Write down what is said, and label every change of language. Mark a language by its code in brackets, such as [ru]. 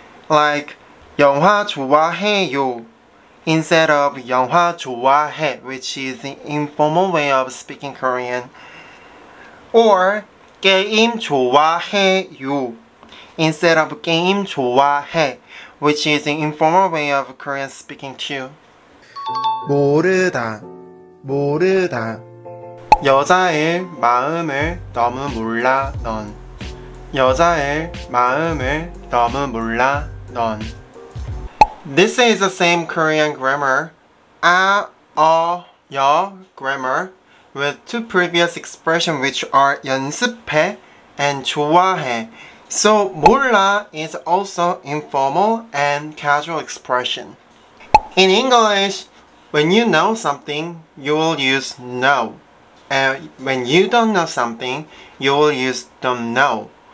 [en] Like [ko] 영화 좋아해요 [en] instead of [ko] 영화 좋아해, [en] which is the informal way of speaking Korean. Or [ko] 게임 좋아해요 [en] instead of [ko] 게임 좋아해, [en] which is the informal way of Korean speaking too. [ko] 모르다 모르다 여자의 마음을 너무 몰라 넌 여자의 마음을 너무 몰라 넌 [en] This is the same Korean grammar 아, 어, 여 grammar with two previous expressions which are 연습해 and 좋아해 So 몰라 is also informal and casual expression In English, when you know something, you will use know And when you don't know something, you will use don't know.